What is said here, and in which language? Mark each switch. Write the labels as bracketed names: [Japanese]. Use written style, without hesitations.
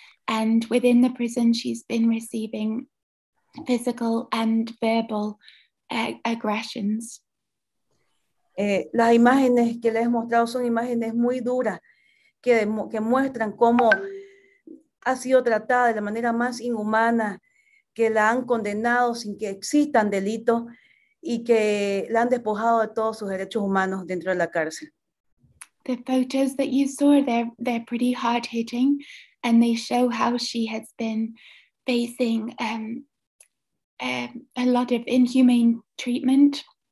[English] And within the prison, she's been receiving physical and verbal aggressions. [Spanish] Las imágenes que les he mostrado son imágenes muy duras que muestran cómo ha sido tratada de la manera más inhumana, que la han condenado sin que existan delitos y que la han despojado de todos sus derechos humanos dentro de la cárcel. [English] The photos that you saw, they're pretty hard-hitting, and they show how she has been facing a lot of inhumane treatment.